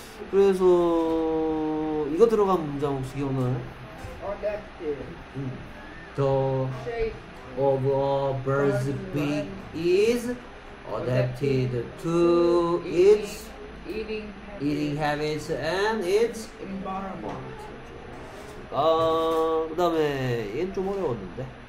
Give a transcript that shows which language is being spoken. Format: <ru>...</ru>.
<ko>그래서 이거 들어간 문장 혹시 기억나요?</ko> <en>Adapted. The shape of a bird's beak is adapted to its eating habits and its environment.</en> <ko>아, 그다음에 얘는 좀 어려웠는데.</ko>